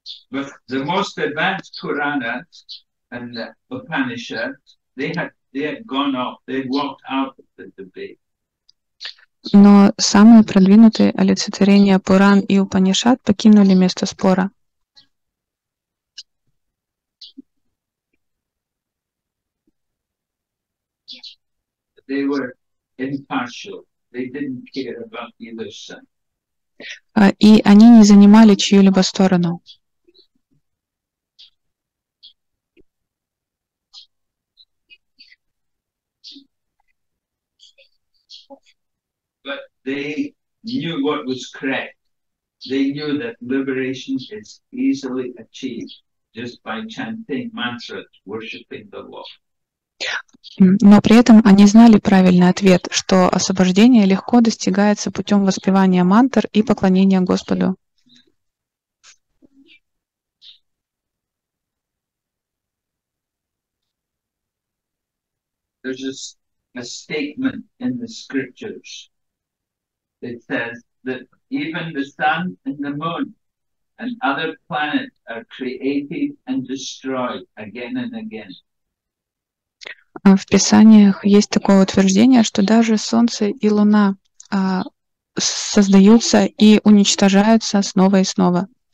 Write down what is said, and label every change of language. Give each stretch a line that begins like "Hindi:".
English: But the most advanced Puranas and the Upanishads, they had gone off, they walked out of the debate.
Russian: Но самые продвинутые олицетворения Пуран и Упанишат покинули место спора.
English: They were impartial. They didn't care about either side.
Russian: И они не занимали чью-либо сторону.
English: But they knew what was correct. They knew that liberation is easily achieved just by chanting mantras, worshipping the Lord.
Russian: Но при этом они знали правильный ответ, что освобождение легко достигается путем воспевания мантр и поклонения Господу.
English: There's a statement in the scriptures. It says that even the sun and the moon and other planets are created and destroyed again and again.
Russian: В Писаниях есть такое утверждение, что даже Солнце и Луна создаются и уничтожаются снова и снова.